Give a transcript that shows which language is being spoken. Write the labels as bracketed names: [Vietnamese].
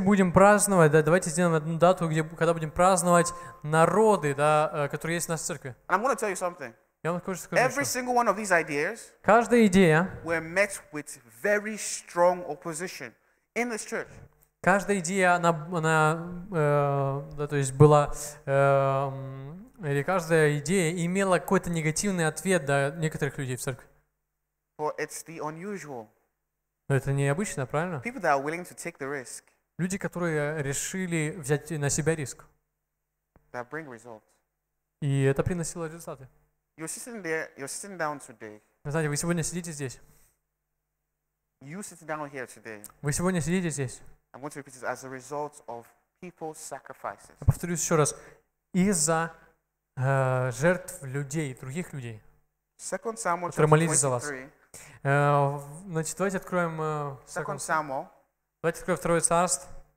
[Russian] будем праздновать, да, давайте сделаем одну дату, где, когда будем праздновать народы, да, которые есть в нашей церкви. [English] And I'm gonna tell you something. [Russian] Я вам скажу, [English] every single one of these ideas, [Russian] каждая идея, [English] were met with very strong opposition in this church. [Russian] Каждая идея, она да, то есть была, или каждая идея имела какой-то негативный ответ, да, некоторых людей в церкви. [English] For it's the unusual. [Russian] Но это необычно, правильно? [English] People that are willing to take the risk, [Russian] люди, которые решили взять на себя риск. [English] That bring results. [Russian] И это приносило результаты. [English] You're sitting there, you're sitting down today. [Russian] Вы знаете, вы сегодня сидите здесь. [English] You sit down here today. [Russian] Вы сегодня сидите здесь. [English] I'm going to repeat this, as a result of people's sacrifices. [Russian] Я повторюсь еще раз. Из-за жертв людей, других людей. [English] Second Samuel, [Russian] которые молились за вас. Значит, давайте откроем [English] Second Samuel. [Russian] Давайте откроем Второе Царство.